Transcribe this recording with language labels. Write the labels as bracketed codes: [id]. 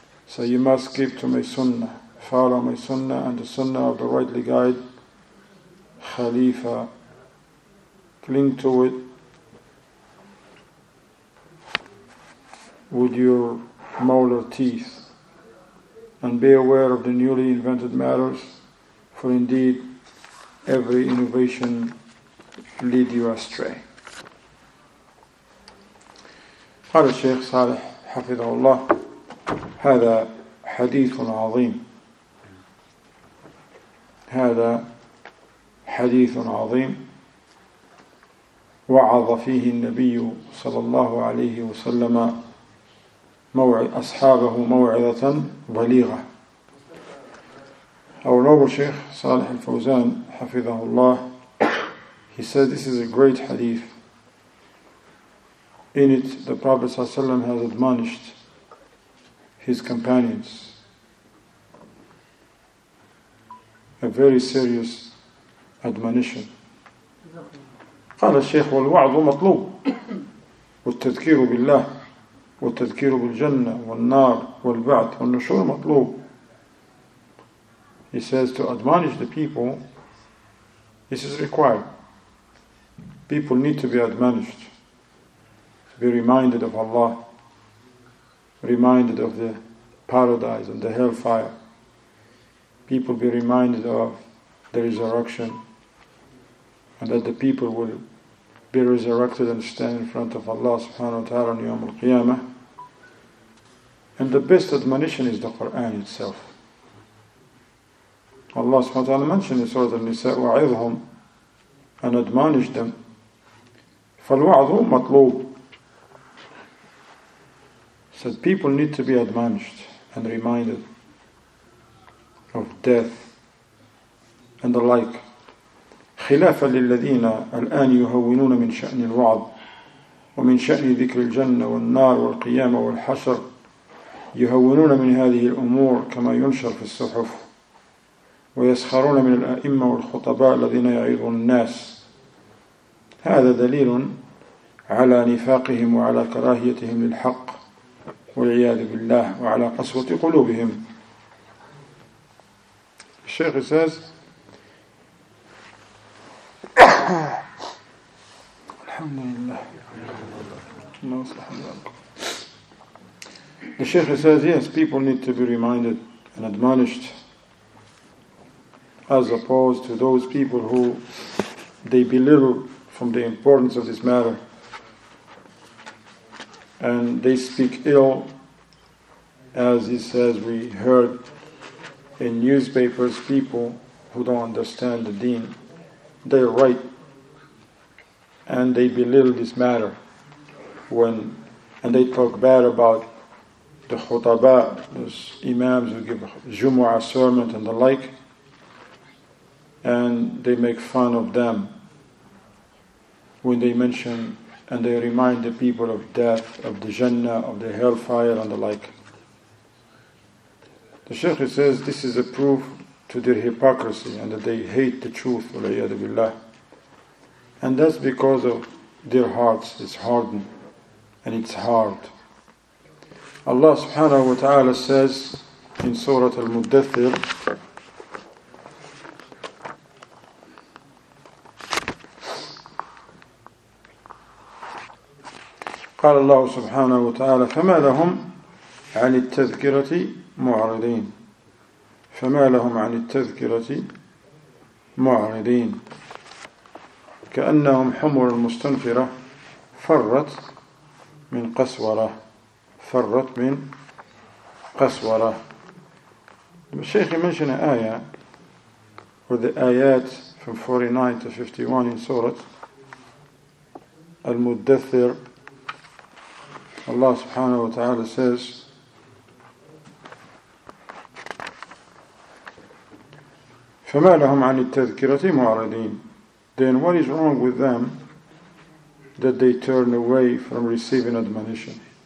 [en] So you must keep to my sunnah, follow my sunnah and the sunnah of the rightly guide, Khalifa, cling to it with your molar teeth, and be aware of the newly invented matters, for indeed every innovation lead you astray. [ar] قال الشيخ صالح حفظه الله: هذا حديث عظيم، هذا حديث عظيم، وعظ فيه النبي صلى الله عليه وسلم أصحابه موعظة بليغة. [en] Our noble Sheikh Salih Al-Fawzan [ar] حفظه الله, [en] he said this is a great hadith. In it the Prophet [ar] صلى الله عليه وسلم [en] has admonished his companions, a very serious admonition. [ar] قال الشيخ: والوعظ مطلوب، والتذكير بالله والتذكير بالجنة والنار والبعث والنشور مطلوب. [en] He says to admonish the people, this is required. People need to be admonished, to be reminded of Allah, reminded of the paradise and the hellfire. People be reminded of the resurrection, and that the people will be resurrected and stand in front of Allah subhanahu wa ta'ala on Yawm al-Qiyamah. And the best admonition is the Qur'an itself. Allah subhanahu wa ta'ala mentioned in Surah Al-Nisa, wa'idhum, and admonish them. [ar] فَالْوَعْظُ مَطْلُوبُ. [en] Said people need to be admonished and reminded of death and the like. [ar] خلافا للذين الآن يهونون من شأن الوعظ ومن شأن ذكر الجنة والنار والقيامة والحشر، يهونون من هذه الأمور كما ينشر في الصحف، ويسخرون من الأئمة والخطباء الذين يعظون الناس. هذا دليل على نفاقهم وعلى كراهيتهم للحق والعياذ بالله، وعلى قسوة قلوبهم. الشيخ ساز الحمد لله ما أصلح الله. [en] الشيخ says yes, people need to be reminded and admonished, as opposed to those people who they belittle from the importance of this matter, and they speak ill, as he says, we heard in newspapers, people who don't understand the deen, they write and they belittle this matter, and they talk bad about the khutaba, those imams who give Jumu'ah sermon and the like, and they make fun of them when they mention and they remind the people of death, of the Jannah, of the hellfire and the like. The Shaykh says this is a proof to their hypocrisy and that they hate the truth, [ar] walayyadu billah. [en] And that's because of their hearts, it's hardened and it's hard. Allah subhanahu wa ta'ala says in Surah Al-Muddathir, [ar] قال الله سبحانه وتعالى فما لهم عن التذكرة معرضين فما لهم عن التذكرة معرضين كأنهم حمر مستنفرة فرت من قسورة فرت من قسورة. [en] الشيخ منشن آية or the آيات from 49 to 51 in سورة المدثر. Allah subhanahu wa ta'ala says, [ar] فَمَا لَهُمْ عَنِ التَّذْكِرَةِ مُعْرَدِينَ. [en] Then what is wrong with them that they turn away from receiving admonition?